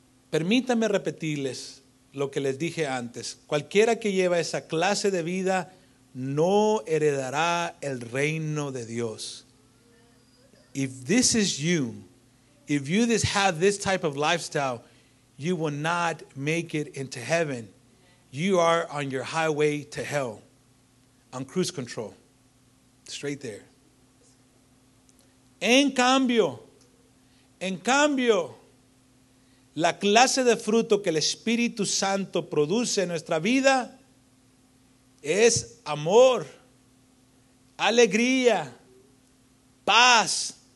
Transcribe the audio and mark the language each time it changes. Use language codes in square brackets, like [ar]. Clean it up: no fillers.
[es] Permítanme repetirles lo que les dije antes. Cualquiera que lleva esa clase de vida no heredará el reino de Dios. [en] If this is you, if you just have this type of lifestyle, you will not make it into heaven. You are on your highway to hell, on cruise control, straight there. [es] En cambio, la clase de fruto que el Espíritu Santo produce en nuestra vida es amor, alegría, paz.